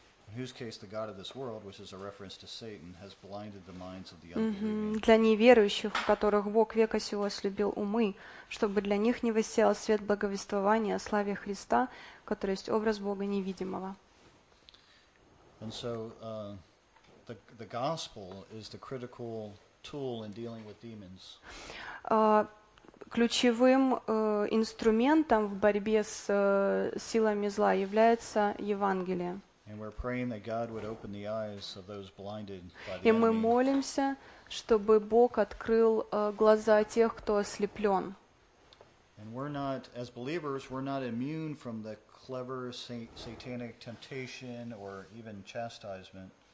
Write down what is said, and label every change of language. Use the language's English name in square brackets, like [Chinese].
[English] In whose case the god of this world, which is a reference to Satan, has blinded the minds of the unbelieving. [Russian] Для неверующих, у которых Бог века сего ослепил умы, чтобы для них не воссиял свет благовествования о славе Христа, который есть образ Бога невидимого. [English] And so the gospel is the critical tool in dealing with demons. [Russian] Ключевым инструментом в борьбе с силами зла является Евангелие. [English] And we're praying that God would open the eyes of those blinded by the enemy. [Russian] И мы молимся, чтобы Бог открыл глаза тех, кто ослеплен. [English] And we're not, as believers, we're not immune from the clever satanic temptation or even chastisement.